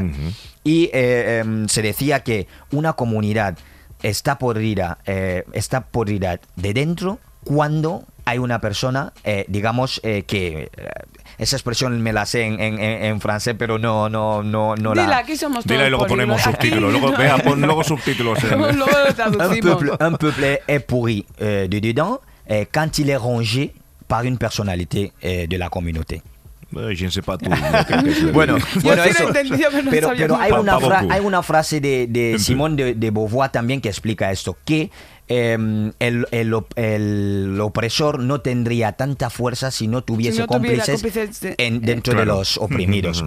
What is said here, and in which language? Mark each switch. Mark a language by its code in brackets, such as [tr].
[es] Uh-huh. Y se decía que una comunidad está podrida de dentro cuando hay una persona, que esa expresión me la sé en francés, pero no dila, Dila, aquí somos todos. Dila y luego ponemos subtítulos. Luego, vea, pon luego subtítulos. Luego traducimos. [fr] Un peuple est pourri de dedans quand il est rongé par une personnalité de la communauté. Je ne sais pas tout. [es] Bueno, eso. Pero hay una hay una frase de Simone de Beauvoir también que explica esto, que el opresor no tendría tanta fuerza si no tuviese cómplices dentro de los oprimidos.